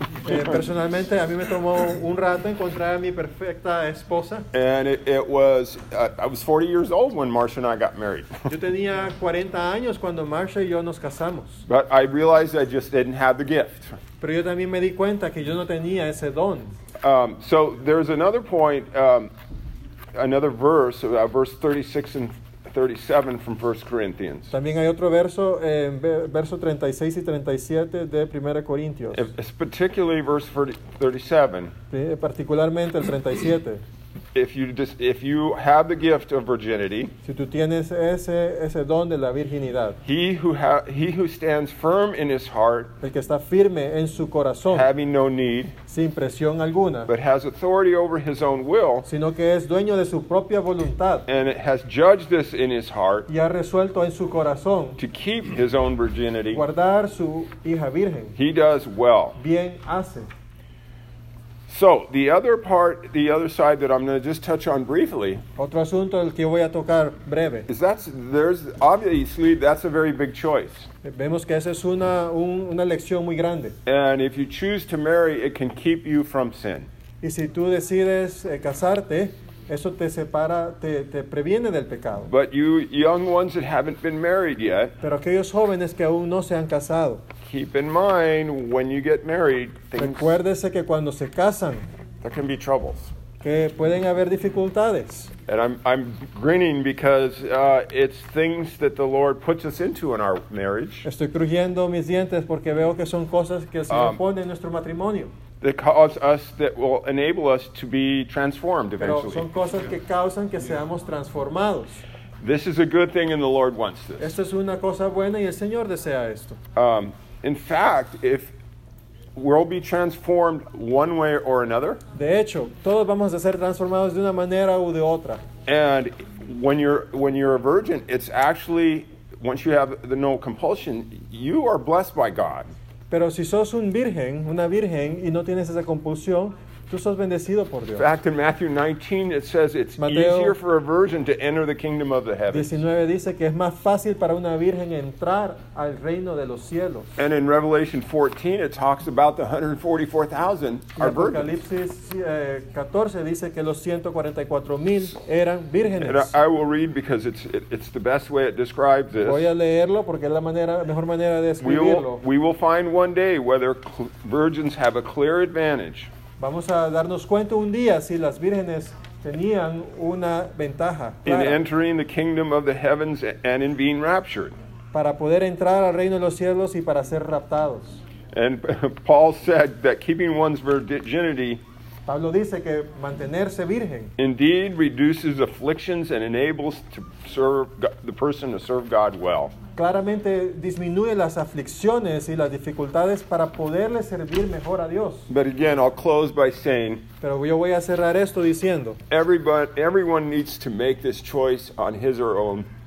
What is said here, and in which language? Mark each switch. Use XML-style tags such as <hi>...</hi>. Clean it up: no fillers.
<es>Personalmente, a mí me tomó un rato encontrar a mi perfecta esposa.</es> <en>And it was, I was 40 years old when Marcia and I got married.</en> <es>Yo tenía 40 años cuando Marcia y yo nos casamos.</es> <en>But I realized I just didn't have the gift.</en> <es>Pero yo también me di cuenta que yo no tenía ese don.</es> <en>So there's another point, another verse, verse 36 and 37 from 1 Corinthians.</en> <es>También hay otro verso, verso 36 y 37 de Primera Corintios.</es> <en>It's particularly verse 37.</en> <es>Particularmente el 37.</es> <en>If you have the gift of virginity,</en> <es>si tú tienes ese don de la virginidad,</es> <en>he who stands firm in his heart,</en> <es>el que está firme en su corazón,</es> <en>having no need,</en> <es>sin presión alguna,</es> <en>but has authority over his own will,</en> <es>sino que es dueño de su propia voluntad,</es> <en>and has judged this in his heart,</en> <es>y ha resuelto en su corazón,</es> <en>to keep his own virginity,</en> <es>guardar su hija virgen,</es> <en>he does well,</en> <es>bien hace.</es> <en>So, the other part, the other side that I'm going to just touch on briefly,</en> <es>otro asunto el que voy a tocar breve,</es> <en>is that there's, obviously, that's a very big choice.</en> <es>Vemos que esa es una elección muy grande.</es> <en>And if you choose to marry, it can keep you from sin.</en> <es>Y si tú decides casarte, eso te separa, te previene del pecado.</es> <en>But you young ones that haven't been married yet,</en> <es>pero aquellos jóvenes que aún no se han casado,</es> <en>keep in mind when you get married, things,</en> <es>recuérdese que cuando se casan,</es> <en>there can be troubles,</en> <es>que pueden haber dificultades.</es> <en>And I'm grinning because it's things that the Lord puts us into in our marriage.</en> <es>Estoy crujiendo mis dientes porque veo que son cosas que el Señor pone en nuestro matrimonio.</es> <en>That cause us, that will enable us to be transformed eventually.</en> <es>Pero son cosas que causan que seamos transformados.</es> <en>This is a good thing and the Lord wants this.</en> <es>Esto es una cosa buena y el Señor desea esto.</es> <en>In fact, if we'll be transformed one way or another.</en> <es>De hecho, todos vamos a ser transformados de una manera u de otra.</es> <en>And when you're a virgin, it's actually, once you have the no compulsion, you are blessed by God.</en> <es>Pero si sos un virgen, una virgen, y no tienes esa compulsión, tú sos bendecido por Dios.</es> <en>In fact, in Matthew 19, it says it's easier for a virgin to enter the kingdom of the heavens.</en> <es>19 dice que es más fácil para una virgen entrar al reino de los cielos.</es> <en>And in Revelation 14, it talks about the 144,000 are virgins.</en> <es>Apocalipsis 14 dice que los 144,000 eran vírgenes.</es> <en>And I will read because it's the best way it describes this.</en> <es>Voy a leerlo porque es la manera, mejor manera de describirlo.</es> <en>We will find one day whether virgins have a clear advantage.</en> <es>Vamos a darnos cuenta un día si las vírgenes tenían una ventaja</es> <en>in entering the kingdom of the heavens and in being raptured.</en> <es>Para poder entrar al reino de los cielos y para ser raptados.</es> <en>And Paul said that keeping one's virginity,</en> <es>Pablo dice que mantenerse virgen,</es> <en>indeed reduces afflictions and enables to serve the person to serve God well.</en> <es>Claramente disminuye las aflicciones y las dificultades para poderle servir mejor a Dios.</es> <en>But again, I'll close by saying,</en> <es>pero yo voy a cerrar esto diciendo,</es> <en>everyone needs to make this choice on his or own.</en>